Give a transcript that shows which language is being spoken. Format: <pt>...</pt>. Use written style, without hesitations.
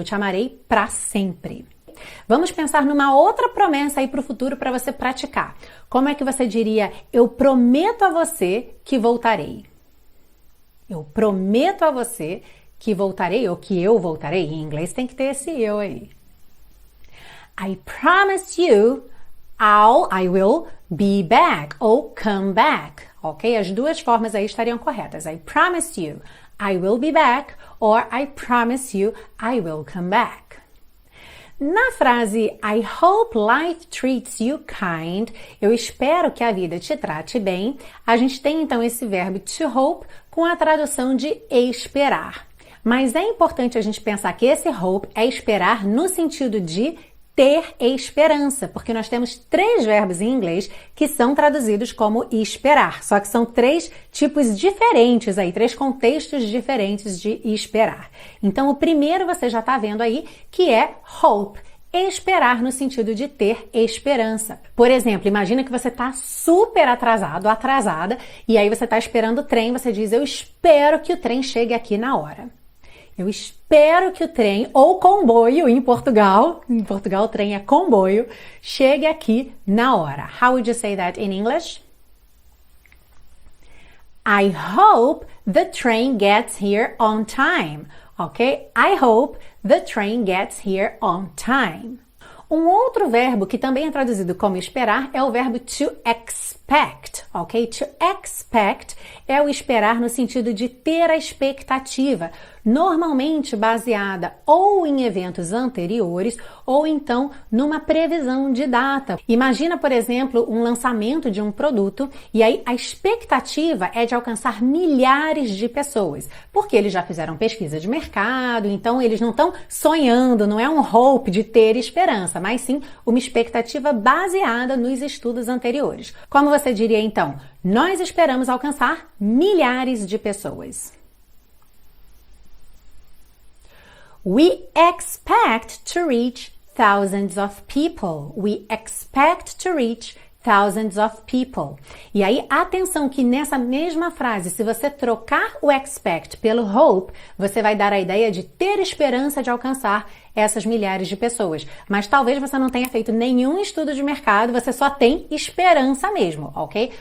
<pt>Eu te amarei para sempre. Vamos pensar numa outra promessa aí para o futuro para você praticar. Como é que você diria? Eu prometo a você que voltarei. Eu prometo a você que voltarei ou que eu voltarei. Em inglês tem que ter esse eu aí.</pt> <en>I promise you. I will be back ou come back.</en> <pt>Ok? As duas formas aí estariam corretas.</pt> <en>I promise you I will be back or I promise you I will come back.</en> <pt>Na frase</pt> <en>I hope life treats you kind,</en> <pt>eu espero que a vida te trate bem, a gente tem então esse verbo to hope com a tradução de esperar. Mas é importante a gente pensar que esse hope é esperar no sentido de ter esperança, porque nós temos três verbos em inglês que são traduzidos como esperar, só que são três tipos diferentes aí, três contextos diferentes de esperar. Então, o primeiro você já está vendo aí que é hope, esperar no sentido de ter esperança. Por exemplo, imagina que você está super atrasado, atrasada, e aí você está esperando o trem, você diz: eu espero que o trem chegue aqui na hora. Eu espero que o trem ou comboio em Portugal o trem é comboio, chegue aqui na hora.</pt> <en>How would you say that in English? I hope the train gets here on time. Ok? I hope the train gets here on time.</en> <pt>Um outro verbo que também é traduzido como esperar é o verbo to expect, ok? To expect é o esperar no sentido de ter a expectativa, normalmente baseada ou em eventos anteriores ou então numa previsão de data. Imagina, por exemplo, um lançamento de um produto e aí a expectativa é de alcançar milhares de pessoas, porque eles já fizeram pesquisa de mercado, então eles não estão sonhando, não é um hope de ter esperança, mas sim uma expectativa baseada nos estudos anteriores. Como você diria então? Nós esperamos alcançar milhares de pessoas.</pt> <en>We expect to reach thousands of people. We expect to reach thousands of people.</en> <pt>E aí, atenção que nessa mesma frase, se você trocar o expect pelo hope, você vai dar a ideia de ter esperança de alcançar essas milhares de pessoas. Mas talvez você não tenha feito nenhum estudo de mercado, você só tem esperança mesmo, ok?</pt>